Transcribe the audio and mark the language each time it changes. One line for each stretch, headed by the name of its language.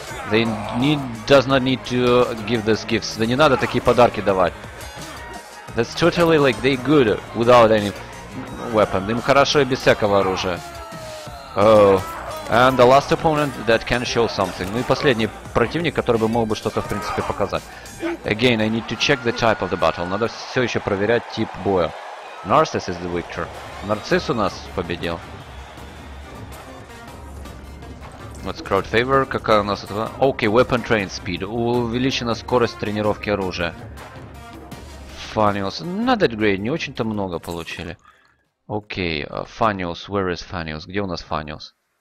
English: They need, does not need to give these gifts.
Russian: Да не надо такие подарки давать.
English: That's totally like they good without any... weapon.
Russian: Им хорошо и без всякого оружия.
English: Oh. And the last opponent that can show something.
Russian: Ну и последний противник, который бы мог бы что-то в принципе показать.
English: Again, I need to check the type of the battle.
Russian: Надо все еще проверять тип боя.
English: Narcissus is the victor.
Russian: Нарцисс у нас победил.
English: What's crowd favor?
Russian: Какая у нас этого?
English: Okay, weapon train speed.
Russian: Увеличена скорость тренировки оружия.
English: Funnels. Not that great.
Russian: Не очень-то много получили. Окей, Фаниус,
English: where is Фаниус?
Russian: Где у нас Фаниус?